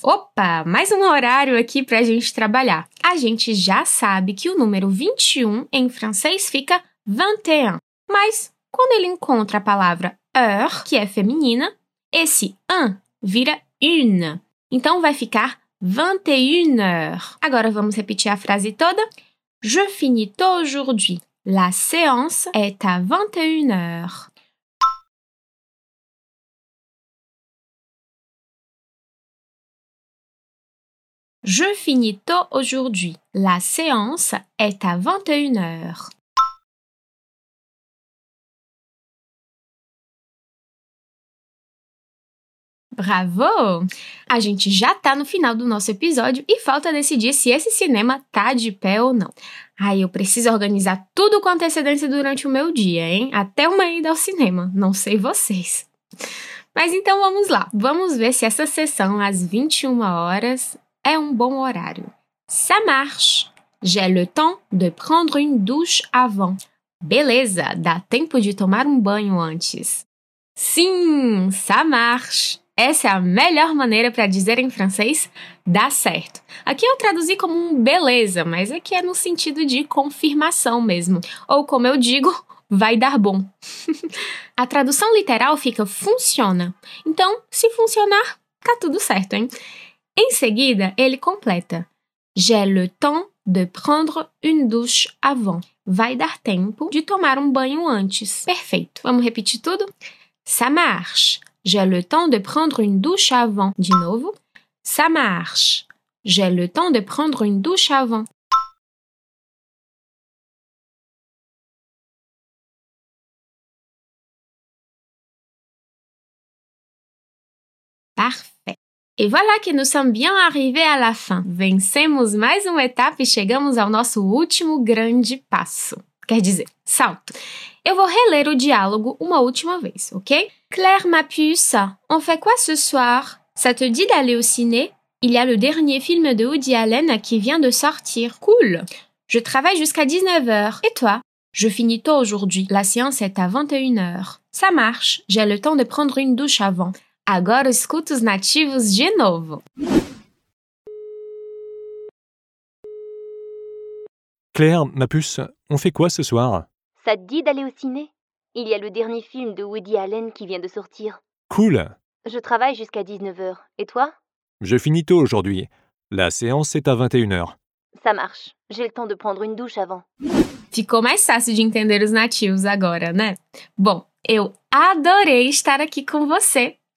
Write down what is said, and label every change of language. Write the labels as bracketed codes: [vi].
[pt] Opa, mais um horário aqui para a gente trabalhar. A gente já sabe que o número 21 em francês fica 21. Mas quando ele encontra a palavra heure, que é feminina, esse un vira une. Então, vai ficar 21h. Agora, vamos repetir a frase toda. [fr] Je finis tôt aujourd'hui. La séance est à 21h. Je finis tôt aujourd'hui. La séance est à 21h. Bravo! [pt] A gente já tá no final do nosso episódio e falta decidir se esse cinema tá de pé ou não. Ai, eu preciso organizar tudo com antecedência durante o meu dia, hein? Até uma ida ao cinema, não sei vocês. Mas então vamos lá, vamos ver se essa sessão às 21 horas é um bom horário. [fr] Ça marche! J'ai le temps de prendre une douche avant. [pt] Beleza, dá tempo de tomar um banho antes. Sim, [fr] ça marche! [pt] Essa é a melhor maneira para dizer em francês, dá certo. Aqui eu traduzi como um beleza, mas aqui é no sentido de confirmação mesmo. Ou como eu digo, vai dar bom. A tradução literal fica funciona. Então, se funcionar, tá tudo certo, hein? Em seguida, ele completa. [fr] J'ai le temps de prendre une douche avant. [pt] Vai dar tempo de tomar um banho antes. Perfeito. Vamos repetir tudo? [fr] Ça marche. J'ai le temps de prendre une douche avant. [pt] De novo. [fr] Ça marche. J'ai le temps de prendre une douche avant. Parfait. Et voilà que nous sommes bien arrivés à la fin. [pt] Vencemos mais uma etapa e chegamos ao nosso último grande passo. Quer dizer, salto. Eu vou reler o diálogo uma última vez, ok? [fr] Claire, ma puce, on fait quoi ce soir? Ça te dit d'aller au ciné? Il y a le dernier film de Woody Allen qui vient de sortir. Cool! Je travaille jusqu'à 19h. Et toi? Je finis tôt aujourd'hui. La séance est à 21h. Ça marche. J'ai le temps de prendre une douche avant. [pt] Agora escuta os nativos de novo. [fr] Claire, ma puce, on fait quoi ce soir? Ça te dit d'aller au ciné? Il y a le dernier film de Woody Allen qui vient de sortir. Cool. Je travaille jusqu'à 19h. Et toi? Je finis tôt aujourd'hui. La séance est à 21h. Ça marche. J'ai le temps de prendre une douche avant. [pt] Ficou mais fácil de entender os nativos agora, né? Bom, eu adorei estar aqui com você.